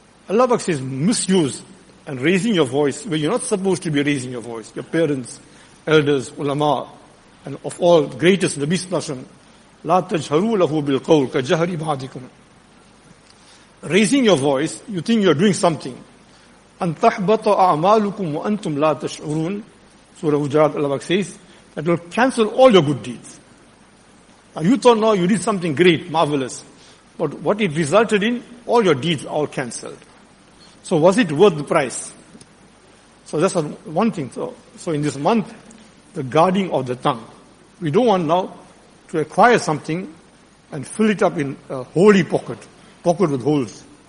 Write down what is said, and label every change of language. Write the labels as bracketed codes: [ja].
[en] Allah Pak says, misuse and raising your voice where you're not supposed to be raising your voice. Your parents, elders, ulama, and of all greatest, Nabi Sallallahu Alaihi Wasallam, [ar] لا تجهروا له بالقول كجهر بعضكم. [en] Raising your voice, you think you're doing something. [ar] أن تحبط أعمالكم وأنتم لا تشعرون. [en] Surah Hujarat, Allah Pak says, that will cancel all your good deeds. Now you thought now you did something great, marvelous. But what it resulted in, all your deeds all cancelled. So was it worth the price? So that's one thing. So in this month, the guarding of the tongue. We don't want now to acquire something and fill it up in a holy pocket, pocket with holes.